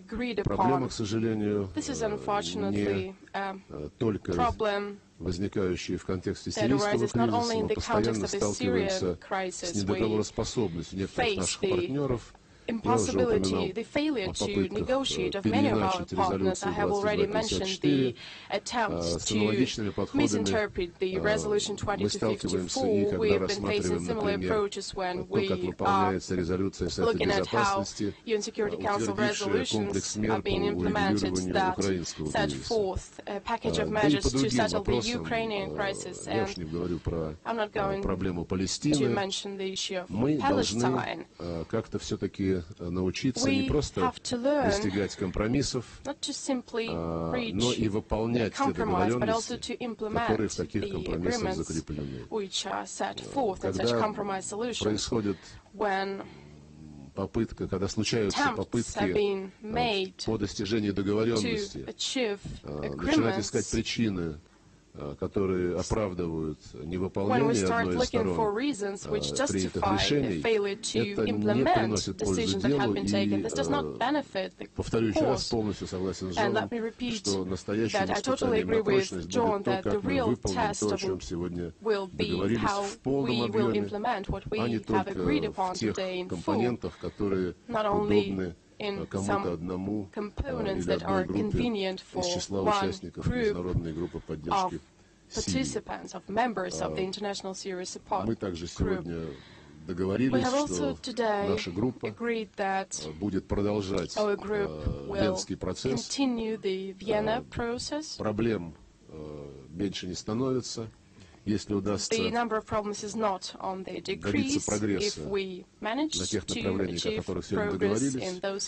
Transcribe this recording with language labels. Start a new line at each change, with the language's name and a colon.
Russian: Это проблема, к сожалению, не только возникающие в контексте сирийского кризиса. Мы постоянно сталкиваемся с недоговороспособностью некоторых наших партнеров.
English: Impossibility, the failure to negotiate of many of our partners, I have already mentioned the attempts to misinterpret the resolution 2254. We have been facing similar approaches when we are looking at how UN Security Council resolutions are being implemented that set forth a package of measures to settle the Ukrainian crisis. And I'm not going to mention the issue of Palestine.
Russian: Как-то все-таки научиться не просто достигать компромиссов, но и выполнять те договоренности, которые в таких компромиссах закреплены. Когда происходит попытка, когда случаются попытки по достижению договоренности, начинать искать причины, которые оправдывают невыполнение одной из сторон принятых решений, это не приносит пользы делу и, повторю еще раз, полностью согласен с Джоном, что настоящее испытание на прочность будет то, как мы выполним то, о чем сегодня договорились в полном объеме, а не только в тех компонентах, которые удобны кому-то одному или одной группе из числа участников международной группы поддержки.
English: Participants of members of the International Syria Support
Russian: Мы также сегодня договорились, что наша группа будет продолжать венский процесс. Проблем меньше не становится, если удастся добиться прогресса на тех направлениях, о которых сегодня договорились.